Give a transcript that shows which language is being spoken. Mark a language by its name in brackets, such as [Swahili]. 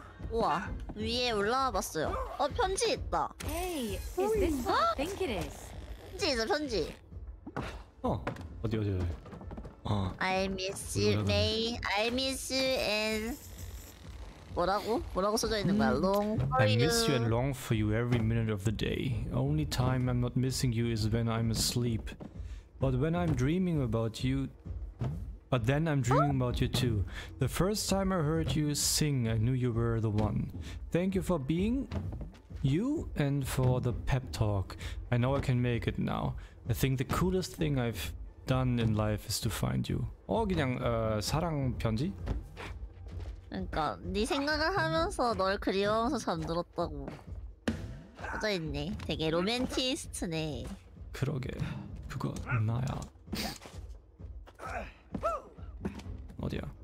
[Korean] 우와, 위에 올라와 봤어요. 어, 편지 있다. [English] Hey, is this what you think it is? [Korean] 편지 있어, 편지. 어, 어디 어디 어디. 어. [English] I miss you, May. I miss you and [Korean] 뭐라고? 뭐라고 써져 있는 거야? [English] Long for you. I miss you and long for you every minute of the day. Only time I'm not missing you is when I'm asleep. But when I'm dreaming about you, but then I'm dreaming about you too. The first time I heard you sing, I knew you were the one. Thank you for being you and for the pep talk. I know I can make it now. I think the coolest thing I've done in life is to find you. [Korean] 어, 그냥 사랑 편지? 그러니까 네 생각을 하면서 널 그리워서 잠들었다고 써져 있네. 되게 로맨티스트네. 그러게, 그거 나야. 어디야?